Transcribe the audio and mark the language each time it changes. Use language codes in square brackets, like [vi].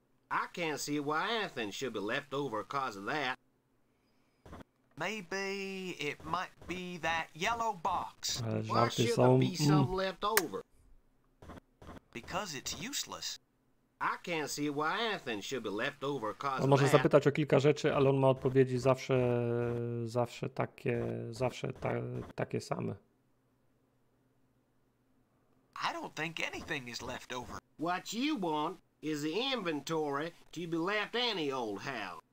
[en] I can't see why anything should be left over because of that. Maybe it might be that yellow box. Why should there be some left over? Because it's useless. I can't see why anything should be left over. [pl] On może zapytać o kilka rzeczy, ale on ma odpowiedzi zawsze takie same. [en] I don't think anything is left over. What you want is the inventory to be left any old how.